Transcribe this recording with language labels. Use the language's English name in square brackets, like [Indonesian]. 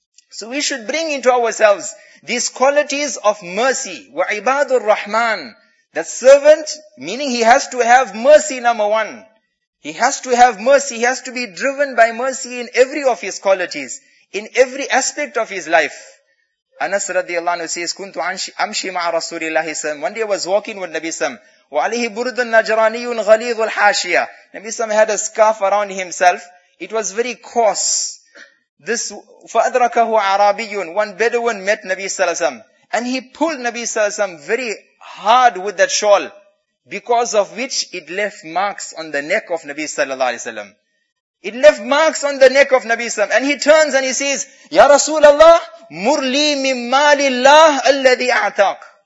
[English] So we should bring into ourselves these qualities of mercy. [Arabic] وَعِبَادُ الرَّحْمَانِ. [English] The servant, meaning he has to have mercy, number one. He has to have mercy. He has to be driven by mercy in every of his qualities. In every aspect of his life. Anas radiallahu anhu says, [Arabic] كنت أمشي مع رسول الله صلى الله عليه وسلم. [English] One day I was walking with Nabi Sam. [Arabic] وعليه برد النجراني غليظ الحاشية. [English] Nabi Sam had a scarf around himself. It was very coarse. This [Arabic] فأدركه عربي. [English] One Bedouin met Nabi صلى الله عليه وسلم. And he pulled Nabi صلى الله عليه وسلم very hard with that shawl. Because of which it left marks on the neck of Nabi sallallahu alayhi wa sallam. It left marks on the neck of Nabi sallallahu alayhi wa sallam. And he turns and he says, Ya Rasulallah, [Arabic] murli min malillah alladhi a'taq.